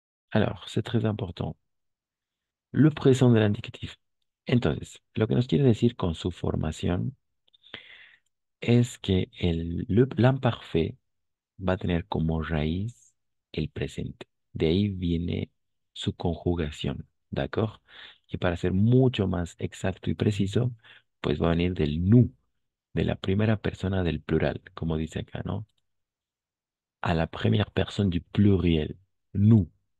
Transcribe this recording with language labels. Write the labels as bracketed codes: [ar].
[fr] Alors, c'est très important. Le présent de l'indicatif. [es] Entonces, lo que nos quiere decir con su formación es que l'imparfait va a tener como raíz el presente. De ahí viene su conjugación, ¿d'accord? Y para ser mucho más exacto y preciso, pues va a venir del nous, de la primera persona del plural, como dice acá, ¿no? [fr] A la première personne du pluriel, nous.